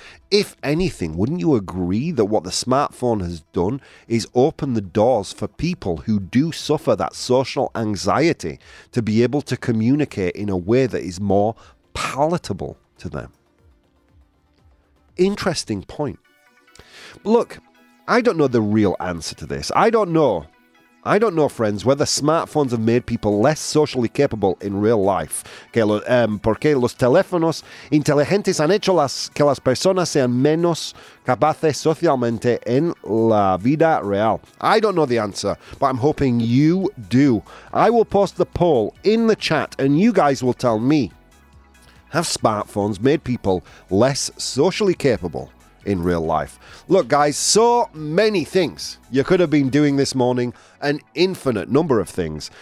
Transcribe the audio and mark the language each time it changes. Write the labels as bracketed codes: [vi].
[en] If anything, wouldn't you agree that what the smartphone has done is open the doors for people who do suffer that social anxiety to be able to communicate in a way that is more palatable to them? Interesting point. Look, I don't know the real answer to this. I don't know, friends, whether smartphones have made people less socially capable in real life. [es] Porque los teléfonos inteligentes han hecho que las personas sean menos capaces socialmente en la vida real. [en] I don't know the answer, but I'm hoping you do. I will post the poll in the chat and you guys will tell me. Have smartphones made people less socially capable in real life? Look, guys, so many things you could have been doing this morning, an infinite number of things.